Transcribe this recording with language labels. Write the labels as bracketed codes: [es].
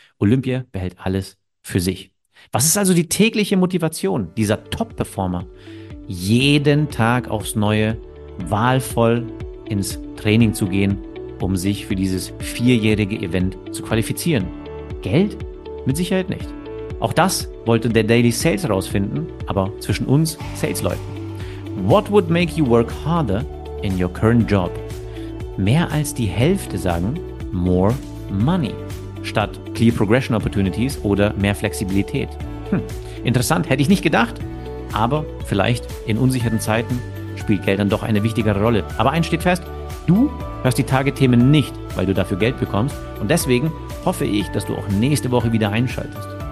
[de] Olympia behält alles für sich. Was ist also die tägliche Motivation dieser Top-Performer, jeden Tag aufs Neue wahlvoll ins Training zu gehen, um sich für dieses vierjährige Event zu qualifizieren? Geld? Mit Sicherheit nicht. Auch das wollte der Daily Sales herausfinden, aber zwischen uns Sales-Leuten. [en] What would make you work harder in your current job? [de] Mehr als die Hälfte sagen [en] more money [de] statt [en] clear progression opportunities [de] oder mehr Flexibilität. Interessant, hätte ich nicht gedacht, aber vielleicht in unsicheren Zeiten spielt Geld dann doch eine wichtigere Rolle. Aber eins steht fest, du hörst die Target-Themen nicht, weil du dafür Geld bekommst und deswegen hoffe ich, dass du auch nächste Woche wieder einschaltest.